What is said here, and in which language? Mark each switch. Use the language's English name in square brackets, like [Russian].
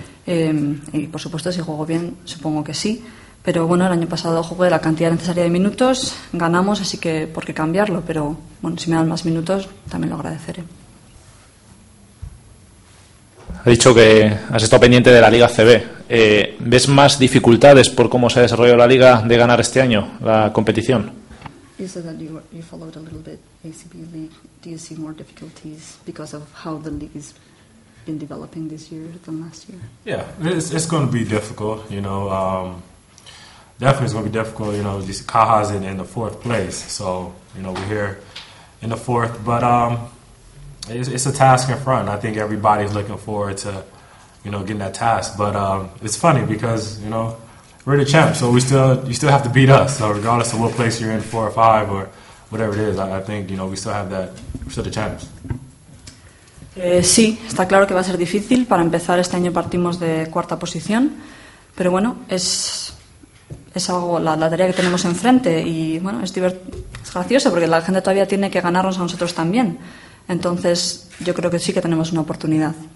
[Spanish] Y por supuesto, si juego bien, supongo que sí. Pero bueno, el año pasado jugué la cantidad necesaria de minutos, ganamos, así que por qué cambiarlo. Pero bueno, si me dan más minutos, también lo agradeceré. Ha dicho que has estado pendiente de la Liga CB. ¿Ves más dificultades por cómo se ha desarrollado la Liga de ganar este año la competición? [English] You said that you followed a little bit ACB League. Do you see more difficulties because of how the league is been developing this year than last year? Yeah, it's going to be difficult, you know. Definitely, it's going to be difficult. You know, Caja's in the fourth place, so you know we're here in the fourth. But it's a task in front. I think everybody's looking forward to, you know, getting that task. But it's funny because you know we're the champ, so you still have to beat us. So regardless of what place you're in, four or five or whatever it is, I think you know we're still the champs. [Spanish] Sí, está claro que va a ser difícil. Para empezar, este año partimos de cuarta posición, pero bueno, es algo la tarea que tenemos enfrente y bueno, es gracioso porque la gente todavía tiene que ganarnos a nosotros también. Entonces, yo creo que sí que tenemos una oportunidad.